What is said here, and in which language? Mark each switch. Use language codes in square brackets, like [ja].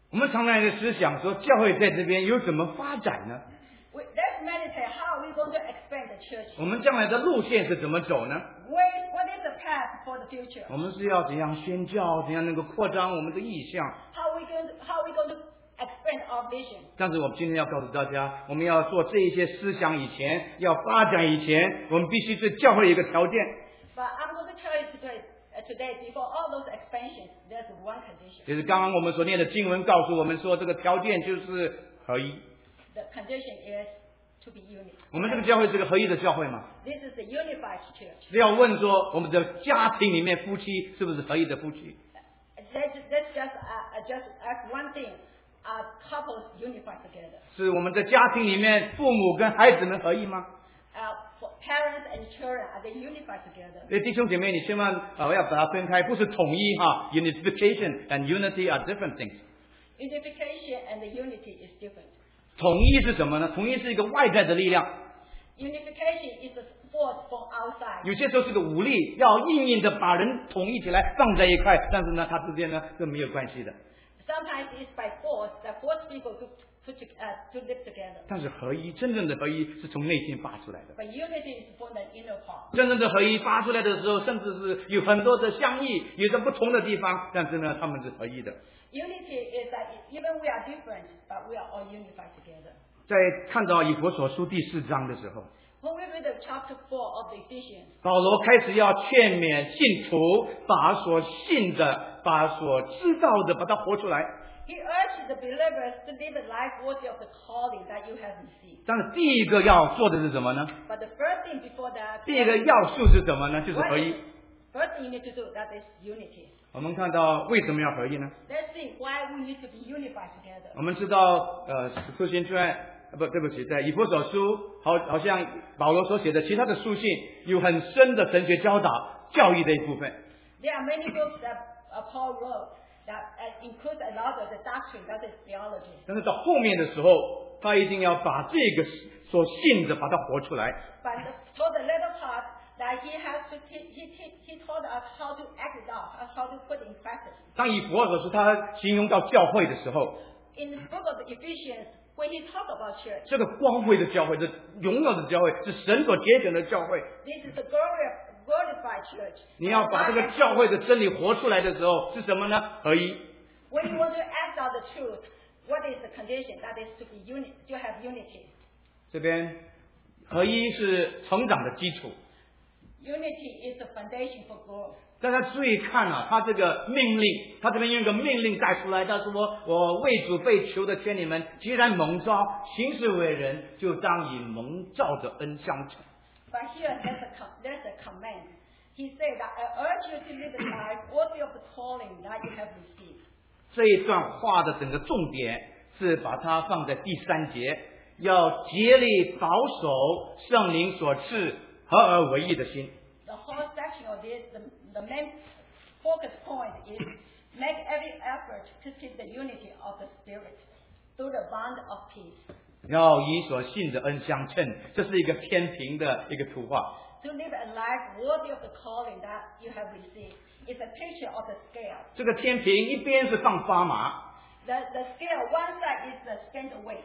[zh] 常来的思想说教会在这边有怎么发展呢？ [en] That many say, how are we going to expand the church? [zh] 我们将来的路线是怎么走呢？ [en] What is the path for the future? [zh] 我们是要怎样宣教，怎样能够扩张我们的意向？ [en] How are we going to expand our vision? [zh] 但是我们今天要告诉大家，我们要做这一些思想以前，要发展以前，我们必须对教会有一个条件。 [en] But I'm going to tell you today, before all those expansions, there's one condition. [zh] 就是刚刚我们所念的经文告诉我们说，这个条件就是合一。 [en] The condition is to be unit. [zh] 我们这个教会是个合一的教会吗？ [en] This is a unified church. [zh] 是要问说，我们的家庭里面夫妻是不是合一的夫妻？ [en] Let's just ask one thing. Are couples unified together? [zh] 是我们的家庭里面父母跟孩子们合一吗？ [en] Parents and children, are they unified together? [zh] 弟兄姐妹，你千万要把它分开，不是统一哈。 [en] Unification and unity are different things. Unification and unity is different. [zh] 统一是什么呢？统一是一个外在的力量。 [en] Unification is a force from outside. [zh] 有些时候是个武力，要硬硬的把人统一起来，放在一块，但是呢，它之间呢是没有关系的。 [en] Sometimes it's by force that force people to. To live together. [zh] 但是合一，真正的合一是从内心发出来的。 [en] But unity is from the inner part. [zh] 真正的合一发出来的时候，甚至是有很多的相异，有着不同的地方，但是呢，他们是合一的。 [en] Unity is that even we are different, but we are all unified together. [zh] 在看到以弗所书第四章的时候 [en] ，When we read chapter four of the Ephesians, [zh] 保罗开始要劝勉信徒，把所信的、把所知道的，把它活出来。 [en] He urged the believers to live a life worthy of the calling that you have received. [zh] 但是第一个要做的是什么呢？ [en] But the first thing before that, [zh] 第一个要素是什么呢？就是合一。 [en] First thing you need to do, that is unity. [zh] 我们看到为什么要合一呢？ [en] Let's see why we need to be unified together. [zh] 我们知道，使徒行传，不，对不起，在以弗所书，好像保罗所写的其他的书信，有很深的神学教导、教义的一部分。 [en] There are many books that Paul wrote. That includes a lot of the doctrine, that is theology. [zh] 但是到后面的时候，他一定要把这个所信的把它活出来。 [en] But for the latter part, that he has to he taught us how to act it out, how to put in practice. [zh] 当以弗所书他形容到教会的时候 [en] ，In the book of Ephesians, when he talked about church, [zh] 这个光辉的教会，这荣耀的教会，是神所拣选的教会。 [en] This is the glory of. Glorified church. [zh] 你要把这个教会的真理活出来的时候是什么呢？合一。 [en] When you want to act out the truth, what is the condition? That is to be unit, to have unity. [zh] 这边合一是成长的基础。 [en] Unity is the foundation for growth. [zh] 大家注意看啊，他这个命令，他这边用一个命令带出来，他说：“我为主被囚的劝你们，既然蒙召，行事为人，就当以蒙召的恩相称。” [en] But here there's a command. He said that I urge you to live a life worthy of the calling that you have received. [zh] 这一段话的整个重点是把它放在第三节，要竭力保守圣灵所赐合而为一的心。 [en] The whole section of this, the main focus point is make every effort to keep the unity of the spirit through the bond of peace. [zh] 要以所信的恩相称，这是一个天平的一个图画。 [en] To live a life worthy of the calling that you have received is a picture of the scale. [zh] 这个天平一边是放砝码。 [en] The scale one side is the scale weight.